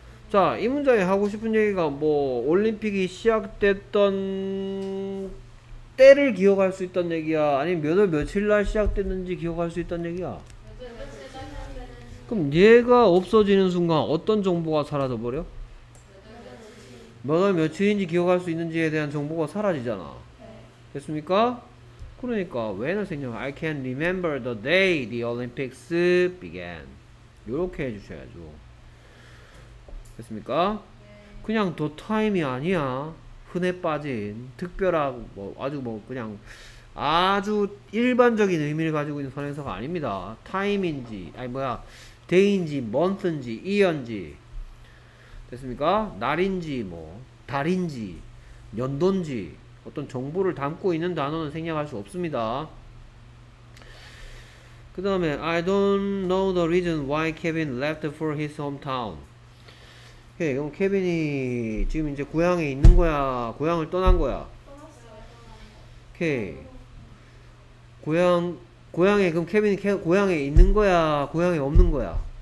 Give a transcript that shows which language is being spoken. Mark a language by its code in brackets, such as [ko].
[ko] 자, 이 문장에 하고 싶은 얘기가 뭐 올림픽이 시작됐던 때를 기억할 수 있다는 얘기야? 아니면 몇월 며칠 날 시작됐는지 기억할 수 있다는 얘기야? 그럼 얘가 없어지는 순간 어떤 정보가 사라져 버려? 몇월 며칠인지 기억할 수 있는지에 대한 정보가 사라지잖아. 됐습니까? 그러니까 when을 생략. [en] I can remember the day the Olympics began. [ko] 이렇게 해주셔야죠. 됐습니까? 그냥 the time이 아니야. 흔해 빠진 특별한 뭐 아주 뭐 그냥 아주 일반적인 의미를 가지고 있는 선행사가 아닙니다. time인지 아니 뭐야 day인지 month인지 year인지 됐습니까? 날인지 뭐 달인지 연도인지 어떤 정보를 담고 있는 단어는 생략할 수 없습니다. 그 다음에 [en] I don't know the reason why Kevin left for his hometown. [ko] 오케이, 그럼 케빈이 지금 이제 고향에 있는 거야? 고향을 떠난 거야? 고향에 그럼 케빈이 고향에 있는 거야? 고향에 없는 거야?